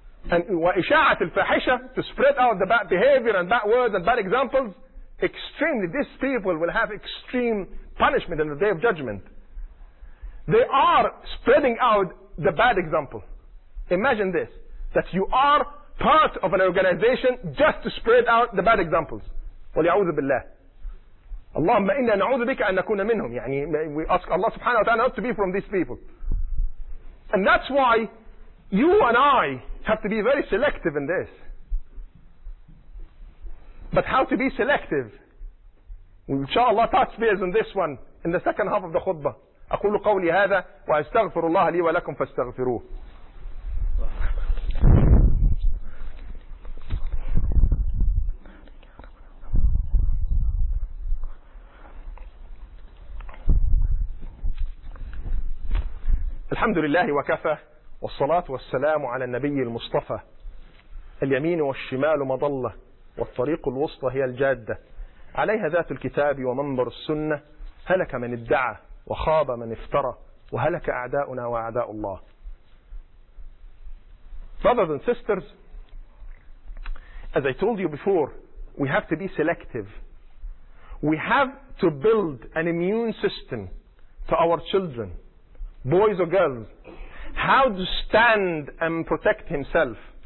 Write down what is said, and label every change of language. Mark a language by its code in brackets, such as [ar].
[en] And [ar] وَإِشَاعَةِ الْفَحِشَةِ, [en] to spread out the bad behavior and bad words and bad examples, extremely, these people will have extreme punishment in the Day of Judgment. They are spreading out the bad example. Imagine this, that you are part of an organization just to spread out the bad examples. [ar] وَلِيَعُوذُ بِاللَّهِ اللهم إنا نعوذ بك أن نكون منهم. [en] يعني we ask Allah subhanahu wa ta'ala not to be from these people. And that's why you and I have to be very selective in this. But how to be selective? Inshallah touch base on this one in the second half of the khutbah. [ar] أقول قولي هذا وأستغفر الله لي ولكم فاستغفروه. الحمد لله وكفى والصلاة والسلام على النبي المصطفى. اليمين والشمال مضلة والطريق الوسطى هي الجادة. عليها ذات الكتاب ومنبر السنة. هلك من ادعى وخاب من افترى وهلك أعداؤنا وأعداء الله. [en] Brothers and sisters, as I told you before, we have to be selective. We have to build an immune system to our children, boys or girls, how to stand and protect himself.